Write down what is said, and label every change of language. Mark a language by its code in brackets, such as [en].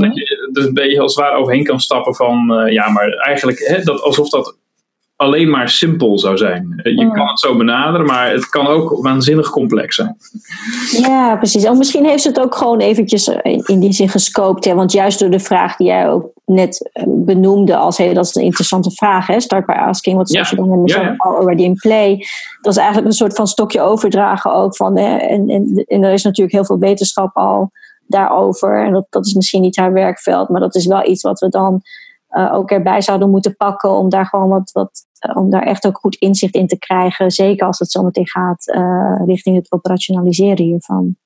[nl] Omdat je er een beetje als waar overheen kan stappen van, maar eigenlijk dat alsof dat alleen maar simpel zou zijn. Je kan het zo benaderen, maar het kan ook waanzinnig complex zijn. Ja, precies. Of misschien heeft ze het ook gewoon eventjes in die zin gescoopt. Hè? Want juist door de vraag die jij ook net benoemde, als hey, dat is een interessante vraag, hè? [en] Start by asking, what's social doing, and already in play. [nl] Dat is eigenlijk een soort van stokje overdragen ook. Van, hè? En er is natuurlijk heel veel wetenschap al daarover. En dat is misschien niet haar werkveld, maar dat is wel iets wat we dan ook erbij zouden moeten pakken om daar gewoon om daar echt ook goed inzicht in te krijgen. Zeker als het zometeen gaat richting het operationaliseren hiervan.